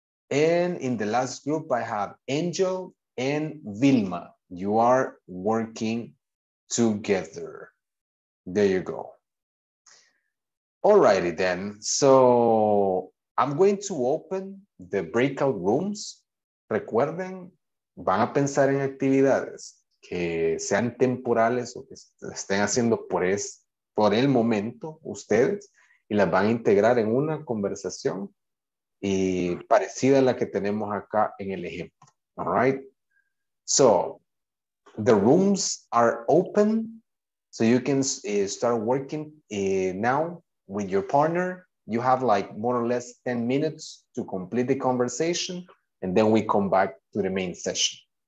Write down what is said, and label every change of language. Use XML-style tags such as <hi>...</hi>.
<en>And in the last group, I have Angel and Vilma. You are working together. There you go. Alrighty then. So I'm going to open the breakout rooms.</en> <es>Recuerden, van a pensar en actividades que sean temporales o que estén haciendo por el momento ustedes y las van a integrar en una conversación y parecida a la que tenemos acá en el ejemplo.</es> <en>All right? So, the rooms are open. So, So you can start working now with your partner. You have like more or less 10 minutes to complete the conversation, and then we come back to the main session.</en>